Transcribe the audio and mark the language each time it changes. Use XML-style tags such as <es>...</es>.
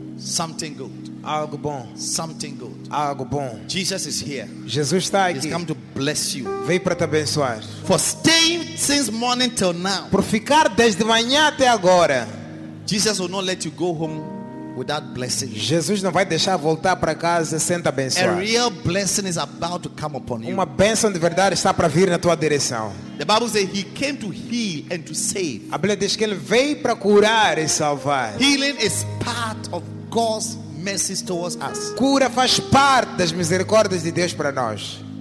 <en>Something good.</en> <pt>Algo bom.</pt> <en>Something good.</en> <pt>Algo bom.</pt> <en>Jesus is here.</en> <pt>Jesus está aqui.</pt> <en>He's come to bless you.</en> <pt>Veio para te abençoar.</pt> <en>For staying since morning till now.</en> <pt>Por ficar desde manhã até agora.</pt> <en>Jesus will not let you go home without blessing.</en> <pt>Jesus não vai deixar voltar para casa sem te abençoar.</pt> <en>A real blessing is about to come upon you.</en> <pt>Uma bênção de verdade está para vir na tua direção.</pt> <en>The Bible says he came to heal and to save.</en> <pt>A Bíblia diz que ele veio para curar e salvar.</pt> <en>Healing is part of God's mercies towards us.</en> <pt>Cura faz parte das misericórdias de Deus para nós.</pt>